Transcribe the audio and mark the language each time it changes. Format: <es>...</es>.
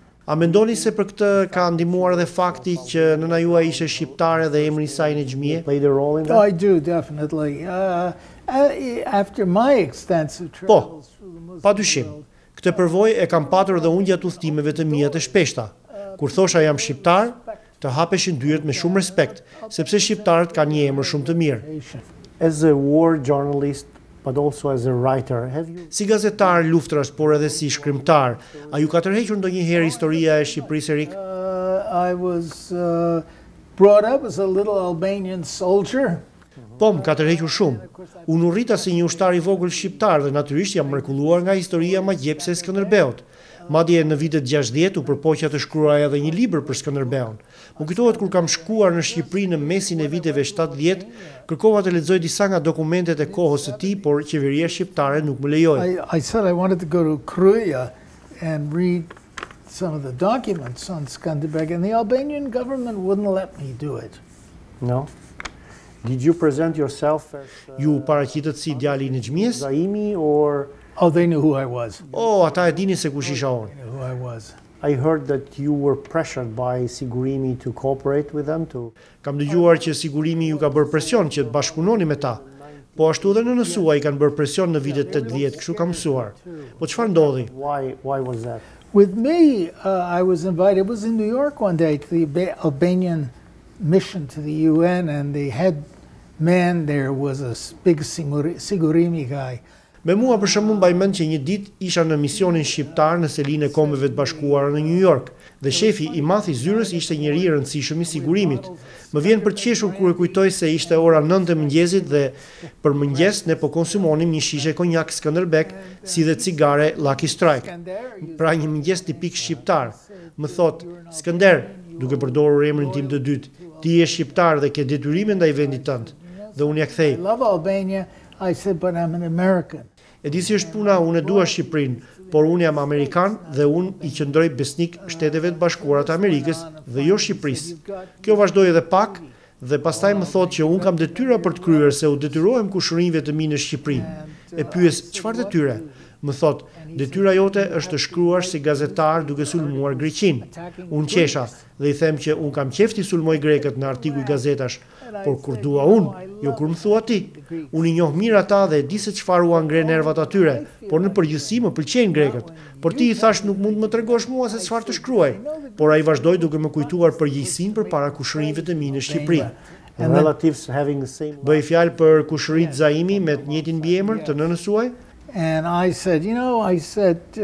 <sq>A mendoni se për këtë ka ndihmuar edhe fakti që nëna juaj ishte shqiptare dhe emri i saj në xhmije?</sq> <en>I do definitely. After my extensive travels through the Muslim.</en> <sq>Po. Padyshim. Këtë përvojë e kam patur edhe unë gjatë udhëtimeve të mia të shpeshta. Kur thosha jam shqiptar, të hapeshin dyert me shumë respekt, sepse shqiptarët kanë një emër shumë të mirë.</sq> <en>As a war journalist, but also as a writer, have you</en> <sq>Si gazetar luftrash, por edhe si shkrimtar, a ju ka tërhequr ndonjëherë historia e Shqipërisë, Erik?</sq> <en>I was brought up as a little Albanian soldier.</en> <sq>Po, më ka tërhequr shumë. Unë u rrita si një ushtar i vogël shqiptar dhe natyrisht jam mrekulluar nga historia magjepse e Skënderbeut. Madje në vitet 60 u përpoqja të shkruaj edhe një libër për Skënderbeun. Më kujtohet kur kam shkuar në Shqipëri në mesin e viteve 70, kërkova të lexoj disa nga dokumentet e kohës së tij, por qeveria shqiptare nuk më lejoi.</sq> <en>I said I wanted to go to Kruja and read some of the documents on Skanderbeg and the Albanian government wouldn't let me do it. No. Did you present yourself as</en> <sq>Ju paraqitet si djali i nxjmies?</sq> <en>Zaimi or Oh, they knew who I was.</en> <sq>Oh, ata e dinin se kush isha unë.</sq> <en>I heard that you were pressured by Sigurimi to cooperate with them too.</en> <sq>Kam dëgjuar që Sigurimi ju ka bërë presion që të bashkunoni me ta. Po ashtu edhe në nësua i kanë bërë presion në vitet 80, kështu kam mësuar. Po çfarë ndodhi?</sq> <en>Why was that? With me, I was invited. It was in New York one day to the Albanian mission to the UN and the head man there was a big Sigurimi guy.</en> <sq>Me mua për shembull mbaj mend që një ditë isha në misionin shqiptar në selinë e Kombeve të Bashkuara në New York dhe shefi i madh i zyrës ishte njëri i rëndësishëm i sigurimit. Më vjen për të qeshur kur e kujtoj se ishte ora 9 e mëngjesit dhe për mëngjes ne po konsumonim një shishe konjak Skënderbeg si dhe cigare Lucky Strike. Pra një mëngjes tipik shqiptar. Më thot Skënder, duke përdorur emrin tim të dytë, ti je shqiptar dhe ke detyrimin ndaj vendit tënd. Dhe unë ja kthej.</sq> <en>I love Albania, I said, but I'm an American.</en> <sq>E di si është puna, unë e dua Shqipërinë, por unë jam Amerikan dhe unë i qëndroj besnik Shteteve të Bashkuara të Amerikës dhe jo Shqipërisë. Kjo vazhdoi edhe pak dhe pastaj më thotë që unë kam detyra për të kryer se u detyrohem kushërinjve të mi në Shqipëri. E pyes, çfarë detyre? Më thotë, detyra jote është të shkruash si gazetar duke sulmuar Greqin. Unë qesha dhe i them që unë kam qefti sulmoj Greket në artikuj gazetash, por kur dua unë, jo kur më thua ti. Unë i njoh mirë ata dhe e di se çfarë u angre nervat atyre, por në përgjithësi më pëlqejnë Greket. Por ti i thash nuk mund më tregosh mua se çfarë të shkruaj. Por ai vazhdoi duke më kujtuar përgjegjësinë përpara kushërinjve të mi në Shqipëri.</sq> <en>Relatives having the same.</en> <sq>Bëj fjalë për kushërinë Zaimi me të njëjtin mbiemër të nënës suaj.</sq> <en>And I said, you know, I said,</en>